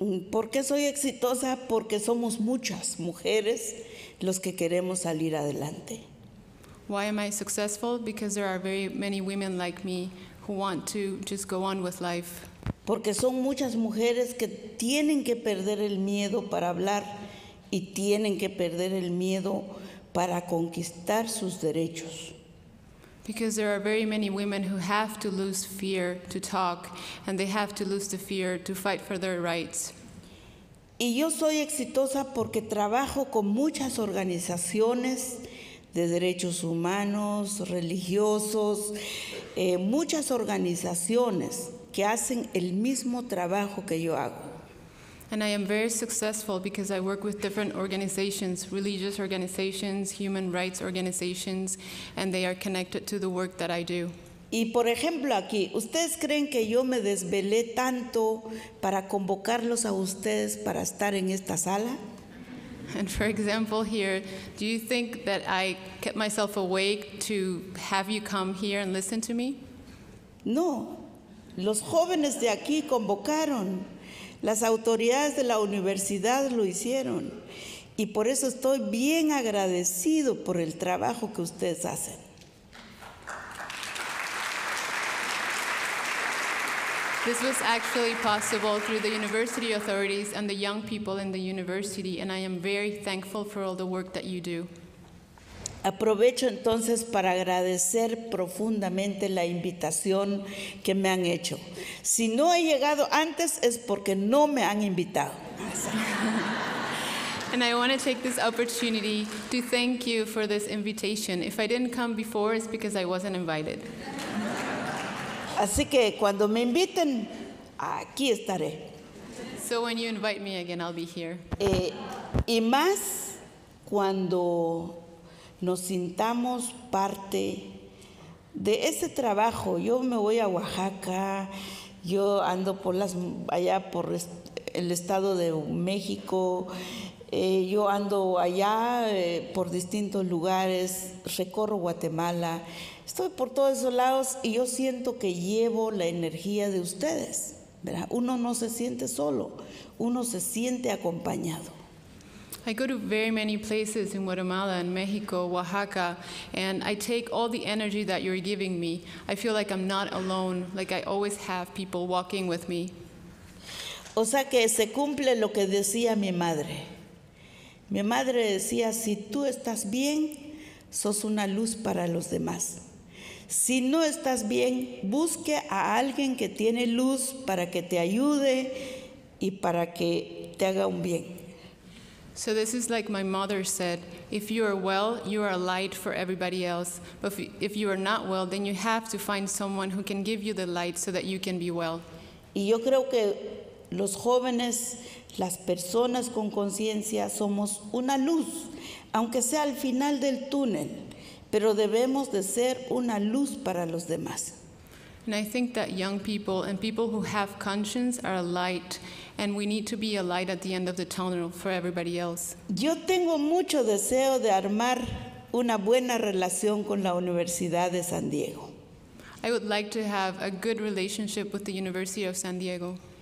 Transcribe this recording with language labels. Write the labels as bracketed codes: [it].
[es] ¿Por qué soy exitosa? Porque somos muchas mujeres los que queremos salir adelante. [en] Why am I successful? Because there are very many women like me who want to just go on with life. [es] Porque son muchas mujeres que tienen que perder el miedo para hablar y tienen que perder el miedo para conquistar sus derechos. [en] Because there are very many women who have to lose fear to talk, and they have to lose the fear to fight for their rights. [es] Y yo soy exitosa porque trabajo con muchas organizaciones de derechos humanos, religiosos, muchas organizaciones que hacen el mismo trabajo que yo hago. [en] And I am very successful because I work with different organizations, religious organizations, human rights organizations, and they are connected to the work that I do. [es] Y por ejemplo aquí, ¿ustedes creen que yo me desvelé tanto para convocarlos a ustedes para estar en esta sala? [en] And for example here, do you think that I kept myself awake to have you come here and listen to me? [es] No. Los jóvenes de aquí convocaron. Las autoridades de la universidad lo hicieron. Y por eso estoy bien agradecido por el trabajo que ustedes hacen. [en] This was actually possible through the university authorities and the young people in the university, and I am very thankful for all the work that you do. [es] Aprovecho entonces para agradecer profundamente la invitación que me han hecho. Si no he llegado antes, es porque no me han invitado. [en] And I want to take this opportunity to thank you for this invitation. If I didn't come before, it's because I wasn't invited. [es] Así que cuando me inviten, aquí estaré. [en] So when you invite me again, I'll be here. [es] Y más cuando nos sintamos parte de ese trabajo. Yo me voy a Oaxaca, yo ando por las allá por el estado de México, yo ando allá por distintos lugares, recorro Guatemala. Estoy por todos esos lados y yo siento que llevo la energía de ustedes, ¿verdad? Uno no se siente solo, uno se siente acompañado. [en] I go to very many places in Guatemala and Mexico, Oaxaca, and I take all the energy that you're giving me. I feel like I'm not alone, like I always have people walking with me. [es] O sea que se cumple lo que decía mi madre. Mi madre decía, si tú estás bien, sos una luz para los demás. Si no estás bien, busque a alguien que tiene luz para que te ayude y para que te haga un bien. [en] So this is like my mother said, if you are well, you are a light for everybody else. But if you are not well, then you have to find someone who can give you the light so that you can be well. [es] Y yo creo que los jóvenes, las personas con conciencia, somos una luz, aunque sea al final del túnel. Pero debemos de ser una luz para los demás. [en] And I think that young people and people who have conscience are a light, and we need to be a light at the end of the tunnel for everybody else. [es] Yo tengo mucho deseo de armar una buena relación con la Universidad de San Diego. [en] I would like to have a good relationship with the University of San Diego.